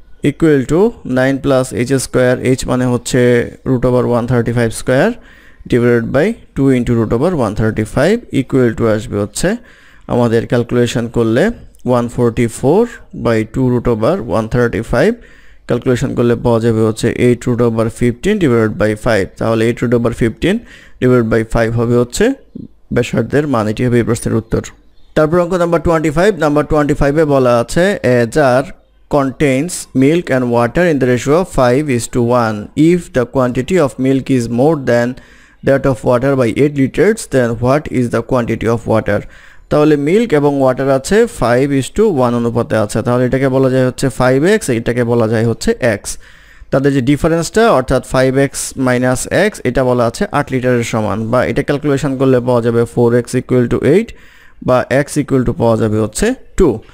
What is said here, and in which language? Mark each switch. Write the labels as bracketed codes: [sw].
[bn] Equal to nine plus H square, H মানে হচ্ছে root over 135 square divide by two into root over 135 equal to আসবে হচ্ছে আমাদের calculation করলে 144 by two root over 135, calculation করলে পাওয়া যাবে হচ্ছে 8 রুট ওভার 15 ডিভাইড বাই 5, তাহলে 8 রুট ওভার 15 ডিভাইড বাই 5 হবে হচ্ছে ব্যাসার্ধের মান, এটি হবে এই প্রশ্নের উত্তর। তারপর অঙ্ক নাম্বার 25, নাম্বার 25 বলা আছে [en] A jar contains milk and water in the ratio of 5:1. If the quantity of milk is more than that of water by 8 liters, then what is the quantity of water? [bn] তাহলে milk এবং water আছে 5:1 অনুপাতে আছে, তাহলে এটাকে বলা যায় হচ্ছে 5x, এটাকে বলা যায় হচ্ছে x, তাদের যে ডিফারেন্সটা অর্থাৎ 5x মাইনাস x, এটা বলা আছে 8 লিটারের সমান, বা এটা ক্যালকুলেশন করলে পাওয়া যাবে 4x ইকুয়াল টু 8, বা x ইকুয়াল টু পাওয়া যাবে হচ্ছে 2।